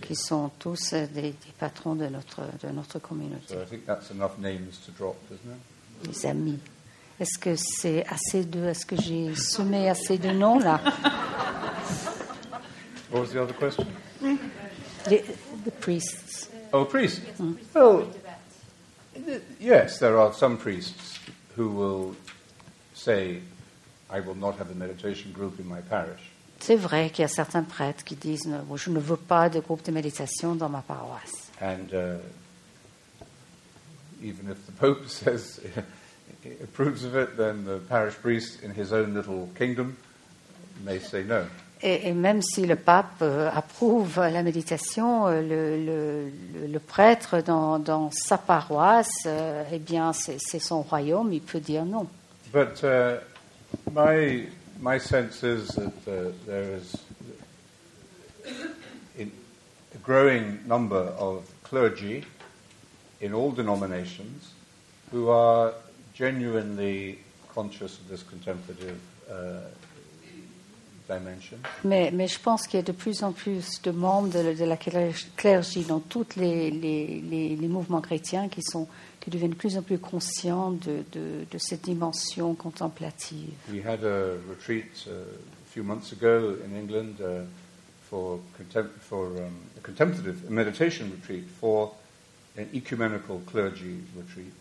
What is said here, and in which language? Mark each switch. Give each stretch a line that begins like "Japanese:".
French: Qui sont tous des patrons de notre communauté.
English: So I think that's enough names to drop, isn't it?
French: Mes amis, est-ce que c'est assez de, est-ce que j'ai semé assez de noms là?
English: What was the other question? The priests. Oh, priests. Well, yes, there are some priests who will say, I will not have a meditation group in my parish.
French: C'est vrai qu'il y a certains prêtres qui disent, je ne veux pas de groupe de méditation dans ma paroisse.
English: And even if the Pope says he approves of it, then the parish priest in his own little kingdom may say no.
French: Et même si le pape approuve la méditation, le prêtre dans sa paroisse, eh bien, c'est son royaume, il peut dire non.
English: But my sense is that there is a growing number of clergy in all denominations who are genuinely conscious of this contemplative dimension.
French: Mais je pense qu'il y a de plus en plus de membres de la clergie dans toutes les mouvements chrétiens qui deviennent de plus en plus conscients de cette dimension contemplative.
English: We had a retreat a few months ago in England for a contemplative meditation retreat for an ecumenical clergy retreat.